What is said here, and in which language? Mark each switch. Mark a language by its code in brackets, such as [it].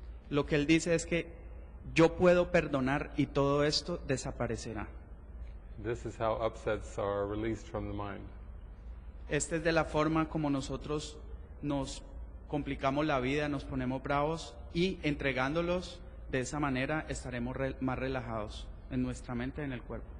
[es] Lo que él dice es que yo puedo perdonar y todo esto desaparecerá. [en] This is how upsets are released from the mind. [es] Esta es de la forma como nosotros nos complicamos la vida, nos ponemos bravos y entregándolos de esa manera estaremos más relajados en nuestra mente y en el cuerpo.